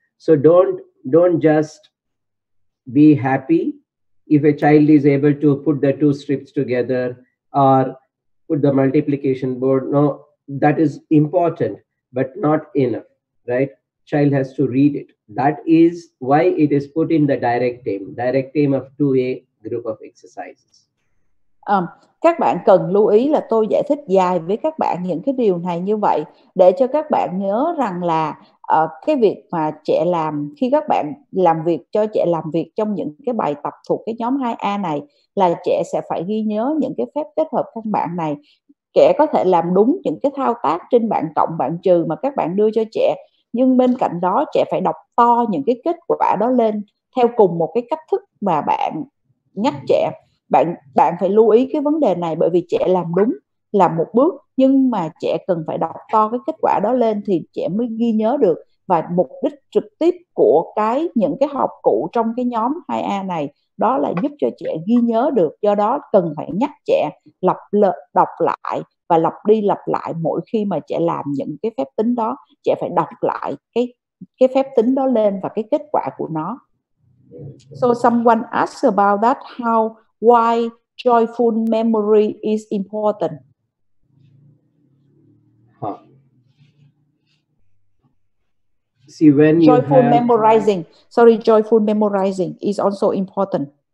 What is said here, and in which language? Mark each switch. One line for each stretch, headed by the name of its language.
English: So don't just be happy if a child is able to put the two strips together or put the multiplication board. No, that is important, but not enough, right? Child has to read it. That is why it is put in the direct aim of 2A group of exercises.
Vietnamese: Các bạn cần lưu ý là tôi giải thích dài với các bạn những cái điều này như vậy để cho các bạn nhớ rằng là cái việc mà trẻ làm, khi các bạn làm việc cho trẻ làm việc trong những cái bài tập thuộc cái nhóm 2A này, là trẻ sẽ phải ghi nhớ những cái phép kết hợp căn bản này. Trẻ có thể làm đúng những cái thao tác trên bảng cộng, bảng trừ mà các bạn đưa cho trẻ, nhưng bên cạnh đó trẻ phải đọc to những cái kết quả đó lên theo cùng một cái cách thức mà bạn nhắc trẻ. Bạn phải lưu ý cái vấn đề này, bởi vì trẻ làm đúng là một bước, nhưng mà trẻ cần phải đọc to cái kết quả đó lên thì trẻ mới ghi nhớ được. Và mục đích trực tiếp của cái những cái học cụ trong cái nhóm 2A này đó là giúp cho trẻ ghi nhớ được, do đó cần phải nhắc trẻ đọc lại và lặp đi lặp lại mỗi khi mà trẻ làm những cái phép tính đó. Trẻ phải đọc lại cái phép tính đó lên và cái kết quả của nó.
English: So someone asked about that, how, why joyful memory is important. See, when joyful you have memorizing. Sorry, joyful memorizing is also important.